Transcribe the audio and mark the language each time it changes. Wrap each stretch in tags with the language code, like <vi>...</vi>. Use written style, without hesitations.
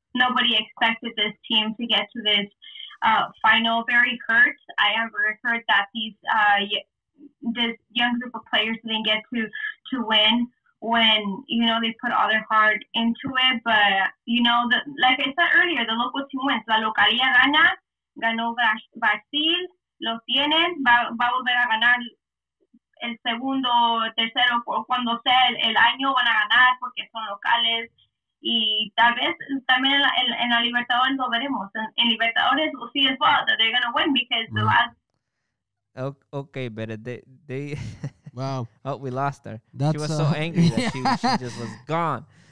<en>nobody expected this team to get to this final very hurt. I have heard that these this young group of players didn't get to win when, you know, they put all their heart into it. But, you know, the, like I said earlier, the local team wins.</en> <es>La localía gana, ganó Brasil, lo tienen, va a volver a ganar el segundo, tercero, o cuando sea el año, van a ganar porque son locales. Y tal vez también en la Libertadores lo veremos.</es> <en>En Libertadores, we'll see as well that they're going to win because the last... Okay, but they wow. Oh, we lost her. That's she was so angry that she just was gone.</en>